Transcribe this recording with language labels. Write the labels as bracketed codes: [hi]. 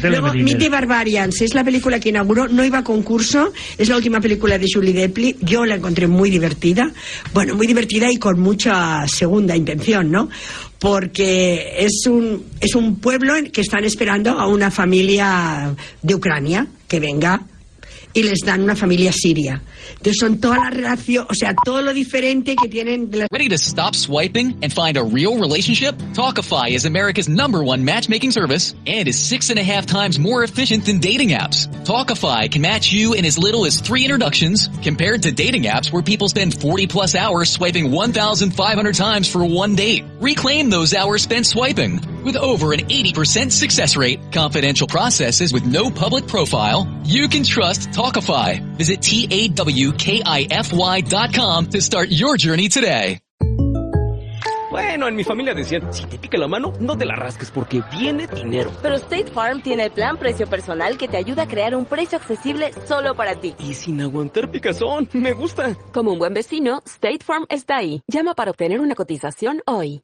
[es] Luego, Meet the Barbarians, es la película que inauguró, no iba a concurso, es la última película de Julie Delpy, yo la encontré muy divertida, y con mucha segunda intención, ¿no? Porque es un pueblo en que están esperando a una familia de Ucrania que venga y les dan una familia siria. Entonces son toda la relación, o sea, todo lo diferente que tienen. [en] Ready to stop swiping and find a real relationship? Talkify is America's number one matchmaking service and is 6.5 times more efficient than dating apps. Talkify can match you in as little as 3 introductions compared to dating apps where people spend 40 plus hours swiping 1,500 times for one date. Reclaim those hours spent swiping. With over an 80% success rate, confidential processes with no public profile, you can trust Talkify. Visit TAWKIFY.com to start your journey today. [es] Bueno, en mi familia decían, si te pica la mano, no te la rasques porque viene dinero. Pero State Farm tiene el plan precio personal que te ayuda a crear un precio accesible solo para ti. Y sin aguantar picazón, me gusta. Como un buen vecino, State Farm está ahí. Llama para obtener una cotización hoy.